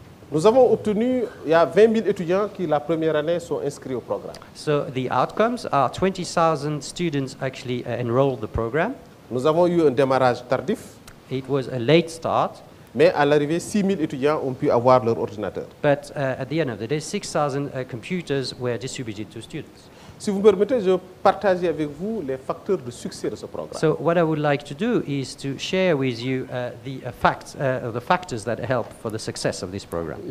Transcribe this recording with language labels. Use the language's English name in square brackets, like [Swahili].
[French] Nous avons obtenu, il y a 20 000 étudiants qui la première année sont inscrits au programme. [English] So the outcomes are 20,000 students actually enrolled the program. [French] Nous avons eu un démarrage tardif. [English] It was a late start. [French] Mais à l'arrivée, 6 000 étudiants ont pu avoir leur ordinateur. [English] But at the end of the day, 6,000 computers were distributed to students. [French] Si vous me permettez, je partage avec vous les facteurs de succès de ce programme. [English] So what I would like to do is to share with you the factors that help for the success of this program.